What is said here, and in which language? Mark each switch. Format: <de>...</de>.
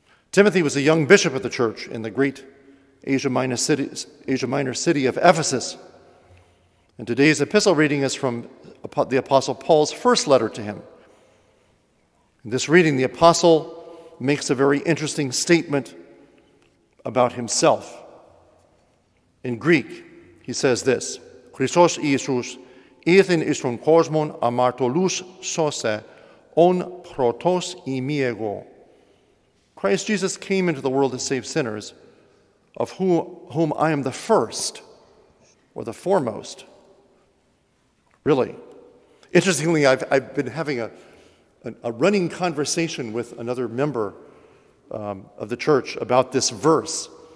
<en>Timothy was a young bishop of the church in the great Asia Minor city of Ephesus. And today's epistle reading is from the Apostle Paul's first letter to him. In this reading, the apostle makes a very interesting statement about himself. In Greek, he says this,</en> <el>Christos Iesus ήθεν εις τον κόσμον αμαρτωλούς σώσε, ον πρωτός ημί εγώ.</el> <en>Christ Jesus came into the world to save sinners, of whom I am the first, or the foremost. Really. Interestingly, I've been having a running conversation with another member of the church about this verse.</en>